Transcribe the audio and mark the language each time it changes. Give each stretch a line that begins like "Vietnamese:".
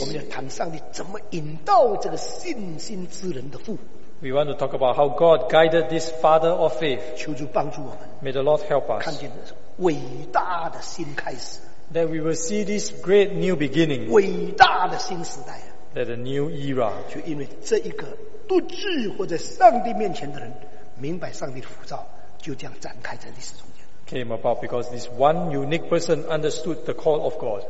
Chinese: 我们要谈上帝怎么引导这个信心之人的父。
English: We want to talk about how God guided this father of faith.
Chinese: 求主帮助我们,
English: may the Lord help us.
Chinese: 看见伟大的新开始,
English: that we will see this great new beginning.
Chinese: 伟大的新时代,
English: that a new era.
Chinese: 就因为这一个都聚活在上帝面前的人，明白上帝的呼召，就这样展开在历史中间。
English: Came about because this one unique person understood the call of God.